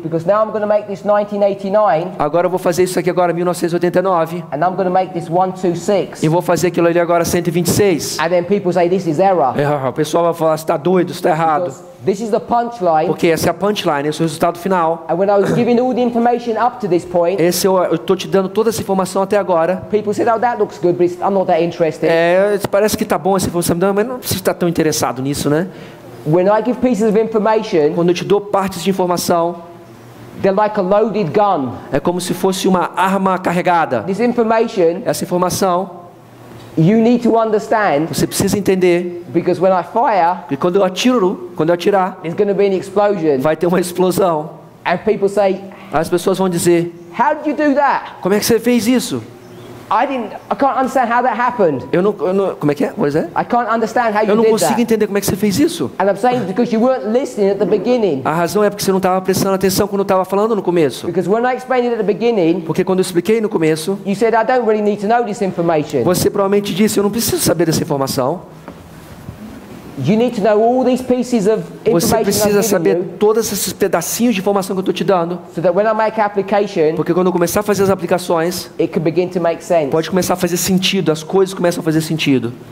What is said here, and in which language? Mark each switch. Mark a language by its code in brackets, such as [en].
[en] Because now I'm going to make this 1989. [pt] Agora eu vou fazer isso aqui agora 1989. [en] And I'm going to make this 126. [pt] E vou fazer aquilo ali agora 126. [en] And then people say this is error. [pt] O pessoal vai falar, está doido, está errado. [en] Because this is the punchline. [pt] Porque essa é a punchline, esse é o resultado final. [en] And when I was giving all the information up to this point. [pt] Esse eu tô te dando toda essa informação até agora. [en] People said, oh, that looks good, but I'm not that interested. [pt] É, parece que tá bom essa informação, mas não precisa estar tão interessado nisso, né? [en] When I give pieces of information. [pt] Quando eu te dou partes de informação. [en] They're like a loaded gun. [pt] É como se fosse uma arma carregada. [en] This information. [pt] Essa informação. [en] You need to understand. [pt] Você precisa entender. [en] Because when I fire, [pt] que quando eu atirar, [en] there's going to be an explosion. [pt] Vai ter uma explosão. [en] And people say, [pt] as pessoas vão dizer, [en] how did you do that? [pt] Como é que você fez isso? [en] I can't understand how that happened. [pt] Eu não, como é que é? [en] What is that? I can't understand how you did that. [pt] Eu não consigo entender como é que você fez isso. [en] And I'm saying because you weren't listening at the beginning. [pt] A razão é porque você não estava prestando atenção quando eu estava falando no começo. [en] Because when I explained it at the beginning, [pt] porque quando eu expliquei no começo, [en] you said I don't really need to know this information. [pt] Você provavelmente disse eu não preciso saber dessa informação. [en] You need to know all these pieces of information. [pt] Você precisa saber todos esses pedacinhos de informação que eu estou te dando. [en] So that when I make application, [pt] porque quando eu começar a fazer as aplicações, [en] it can begin to make sense. [pt] Pode começar a fazer sentido, as coisas começam a fazer sentido.